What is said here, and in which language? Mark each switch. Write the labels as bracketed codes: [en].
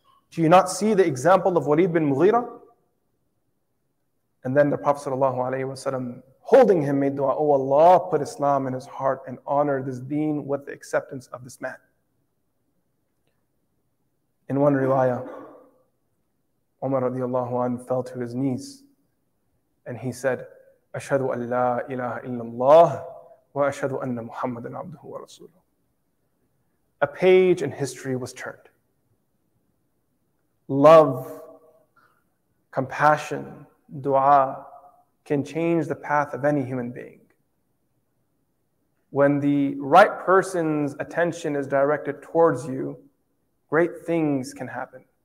[en] Do you not see the example of Walid bin Mughira? And then the Prophet sallallahu alayhi wa sallam, holding him, made dua, oh Allah, put Islam in his heart and honor this deen with the acceptance of this man. In one riwayah, Umar radiallahu anhu fell to his knees and he said, [ar] أشهد أن لا إله إلا الله وأشهد أن محمد عبده ورسوله. [en] A page in history was turned. Love, compassion, dua can change the path of any human being. When the right person's attention is directed towards you, great things can happen.